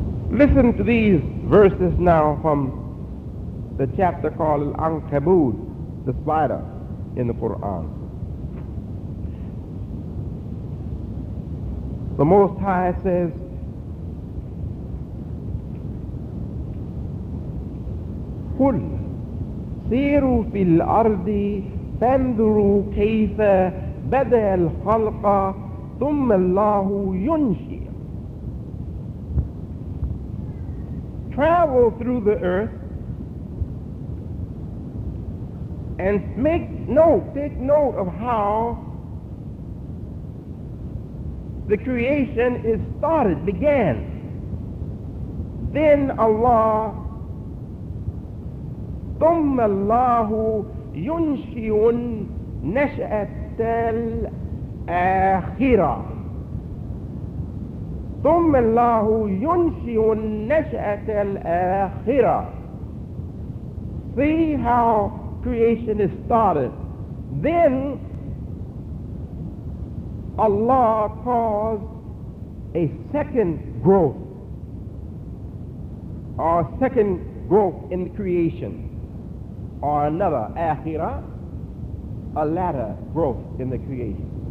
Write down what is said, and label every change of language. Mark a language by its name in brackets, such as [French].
[English] Listen to these verses now from the chapter called Al-Ankabut, the spider in the Quran. The Most High says, [Arabic] قُلْ سِيرُوا فِي الْأَرْضِ فَانْذُرُوا كَيْفَ بَدَأَ الْخَلْقَ ثُمَّ اللَّهُ يُنْشِئُ. [English] Travel through the earth and take note of how the creation is started, began. Then Allah, [Arabic] ثم الله ينشئ نشأة الآخرة. ثم الله ينشئ نشأة الآخرة. [English] See how creation is started. Then Allah caused a second growth, or a second growth in the creation, or another, akhirah, a latter growth in the creation.